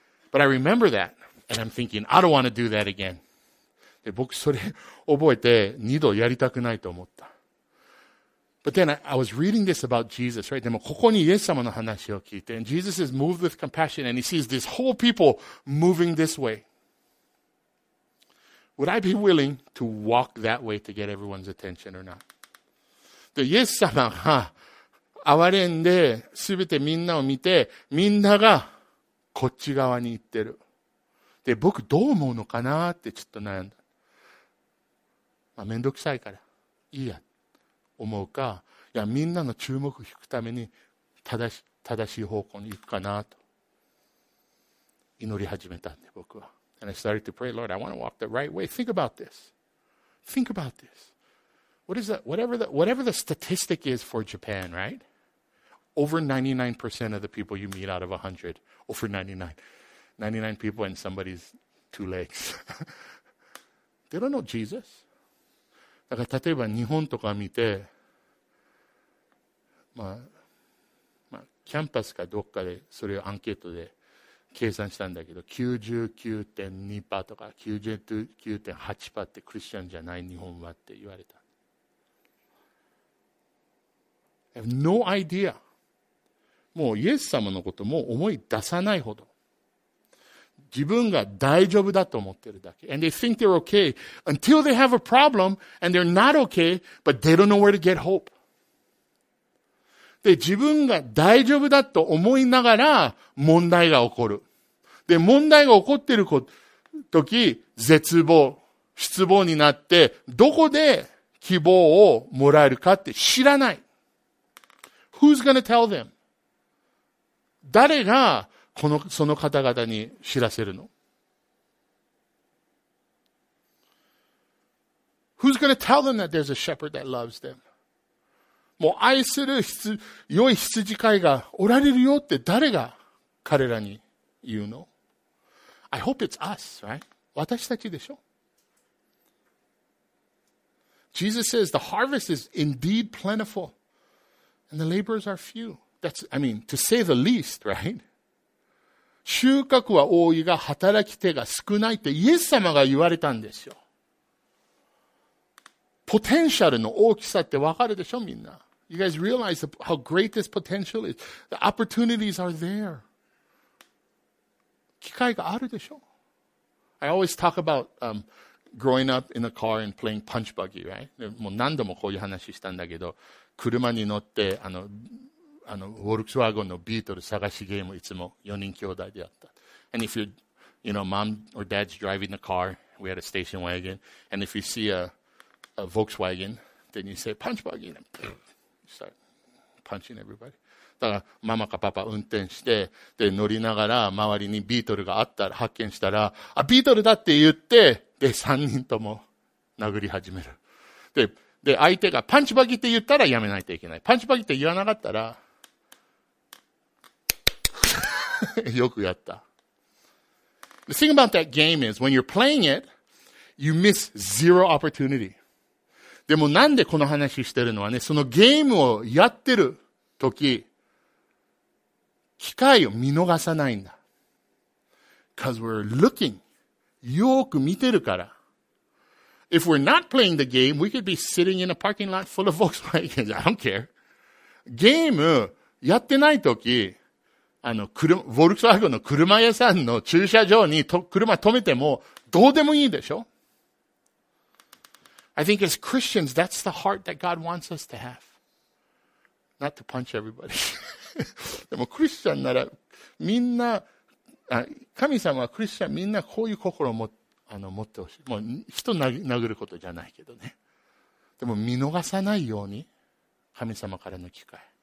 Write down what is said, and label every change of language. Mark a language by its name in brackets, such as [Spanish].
[English] But I remember that, and I'm thinking, I don't want to do that again. [Japanese] で、僕それ覚えて二度やりたくないと思った。 [English] But then I was reading this about Jesus, right? [Japanese] でもここにイエス様の話を聞いて、 [English] and Jesus is moved with compassion, and he sees this whole people moving this way. Would I be willing to walk that way to get everyone's attention or not? [Japanese] で、イエス様が憐れんで、すべてみんなを見て、みんながこっち側に行ってる。で、僕どう思うのかなってちょっと悩んだ。まあ、めんどくさいから、いいや、思うか、いや、みんなの注目を引くために正しい方向に行くかなと。祈り始めたんで僕は。 [English] And I started to pray, Lord, I want to walk the right way. Think about this. Think about this. What is that? Whatever the statistic is for Japan, right? Over 99% of the people you meet out of 100, over 99 people and somebody's two legs. They don't know Jesus. [Japanese] だから例えば日本とか見て、まあ、まあ、キャンパスかどっかでそれをアンケートで計算したんだけど 99.2% とか 99.8% ってクリスチャンじゃない日本はって言われた。 [English] I have no idea。 [Japanese] もうイエス様のことも思い出さないほど自分が大丈夫だと思ってるだけ。 [English] And they think they're okay until they have a problem and they're not okay but they don't know where to get hope。 [Japanese] で、自分が大丈夫だと思いながら問題が起こる。で、問題が起こっている時、絶望、失望になって、どこで希望をもらえるかって知らない。 [English] Who's gonna tell them? [Japanese] 誰がその方々に知らせるの ? [English] Who's gonna tell them that there's a shepherd that loves them? [Japanese] もう愛する良い羊飼いがおられるよって誰が彼らに言うの ? [English] I hope it's us, right? [Japanese] 私たちでしょ ? [English] Jesus says the harvest is indeed plentiful and the laborers are few. That's, I mean, to say the least, right? [Japanese] 収穫は多いが働き手が少ないってイエス様が言われたんですよ。ポテンシャルの大きさってわかるでしょみんな。 [English] You guys realize how great this potential is. The opportunities are there. [Japanese] 機会があるでしょ? [English] I always talk about growing up in a car and playing punch buggy, right? [Japanese] もう何度もこういう話したんだけど、車に乗ってあのフォルクスワーゴンのビートル探しゲームいつも4人兄弟でやった。 [English] And if you know, mom or dad's driving the car, we had a station wagon, and if you see a Volkswagen, then you say punch buggy, and start punching everybody. [Japanese] だからママかパパ運転してで乗りながら周りにビートルがあったら発見したらあビートルだって言ってで3人とも殴り始める。で相手がパンチバギって言ったらやめないといけない。パンチバギって言わなかったらよくやった。 [English] The thing about that game is when you're playing it, you miss zero opportunity. [Japanese] でもなんでこの話してるのはね、そのゲームをやってる時、機会を見逃さないんだ。 [English] Cause we're looking. [Japanese] よく見てるから。 [English] If we're not playing the game, we could be sitting in a parking lot full of Volkswagen. I don't care. [Japanese] ゲームやってない時、ボルクスワーゴンの車屋さんの駐車場に車止めてもどうでもいいでしょ? [English] I think as Christians, that's the heart that God wants us to have. Not to punch everybody. [Japanese] でもクリスチャンならみんな、神様はクリスチャンみんなこういう心を持ってほしい。もう人殴ることじゃないけどね。でも見逃さないように神様からの機会。